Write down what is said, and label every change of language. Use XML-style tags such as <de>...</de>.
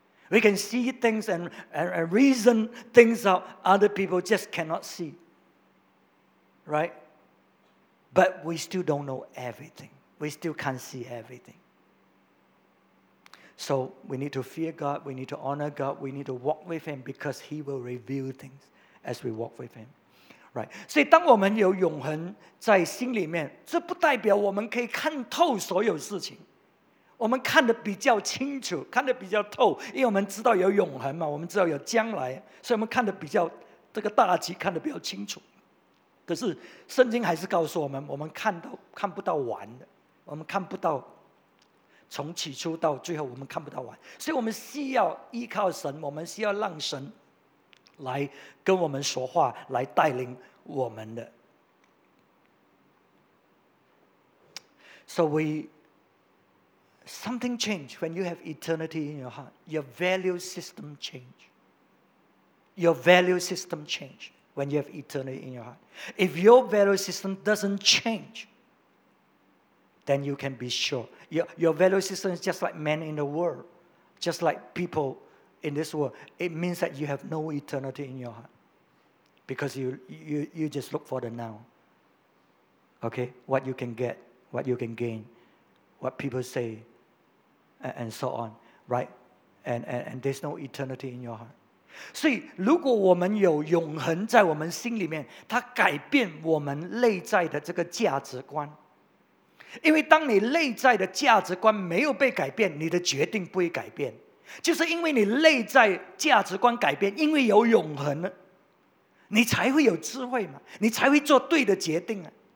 <en>We can see things and reason things out other people just cannot see. Right? But we still don't know everything. We still can't see everything. So we need to fear God, we need to honor God, we need to walk with Him because He will reveal things as we walk with Him. Right?</en> <zh>所以当我们有永恒在心里面，这不代表我们可以看透所有事情。我们看得比较清楚，看得比较透，因为我们知道有永恒嘛，我们知道有将来，所以我们看得比较，这个大局看得比较清楚。可是圣经还是告诉我们，我们看不到完的，我们看不到从起初到最后我们看不到完，所以我们需要依靠神，我们需要让神来跟我们说话，来带领我们的。</zh> <en>So we something change when you have eternity in your heart. Your value system change. Your value system change when you have eternity in your heart. If your value system doesn't change, then you can be sure. Your value system is just like men in the world, just like people in this world. It means that you have no eternity in your heart because you just look for the now. Okay? What you can get, what you can gain, what people say, and so on, right? And there's no eternity in your heart.</en> <zh>所以如果我们有永恒在我们心里面，它改变我们内在的这个价值观。因为当你内在的价值观没有被改变，你的决定不会改变。就是因为你内在价值观改变，因为有永恒，你才会有智慧嘛，你才会做对的决定啊。</zh>